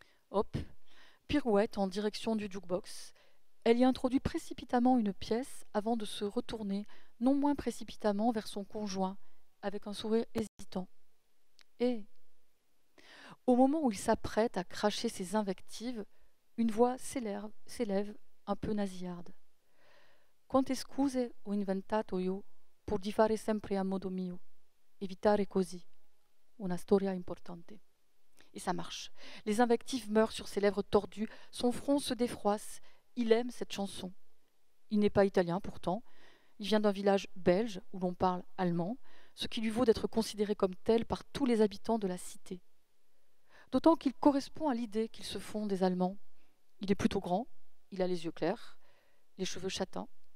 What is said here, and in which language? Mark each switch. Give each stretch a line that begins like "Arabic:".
French: Hop, pirouette en direction du jukebox. Elle y introduit précipitamment une pièce avant de se retourner, non moins précipitamment, vers son conjoint, avec un sourire hésitant. Et, au moment où il s'apprête à cracher ses invectives, une voix s'élève un peu nasillarde.
Italian: Quante scuse ho inventato io pour di fare sempre a modo mio, evitare così una storia importante.
French: Et ça marche. Les invectives meurent sur ses lèvres tordues, son front se défroisse. Il aime cette chanson. Il n'est pas italien pourtant. Il vient d'un village belge où l'on parle allemand, ce qui lui vaut d'être considéré comme tel par tous les habitants de la cité. D'autant qu'il correspond à l'idée qu'ils se font des Allemands. Il est plutôt grand, il a les yeux clairs, les cheveux châtains.